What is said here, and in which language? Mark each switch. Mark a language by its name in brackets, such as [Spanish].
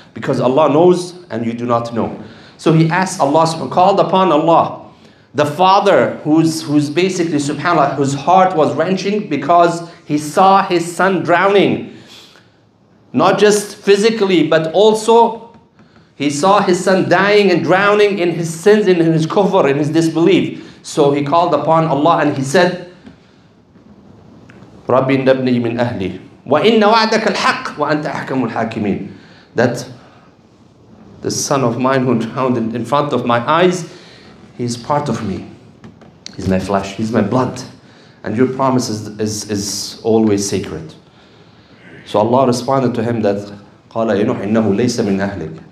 [English] Because Allah knows and you do not know. So he asked Allah, called upon Allah, the father who's basically, subhanAllah, whose heart was wrenching because he saw his son drowning. Not just physically, but also he saw his son dying and drowning in his sins, in his kufr, in his disbelief. So he called upon Allah and he said, [Arabic] رَبِّ نَبْنِي مِنْ أَهْلِي وَإِنَّ وَعْدَكَ الْحَقِّ وَأَنْتَ أَحْكَمُ الْحَاكِمِينَ. [English] That the son of mine who drowned in front of my eyes, he's part of me. He's my flesh. He's my blood. And your promise is always sacred. So Allah responded to him that, [Arabic] قَالَ يَنُحْ إِنَّهُ لَيْسَ مِنْ أَهْلِكَ.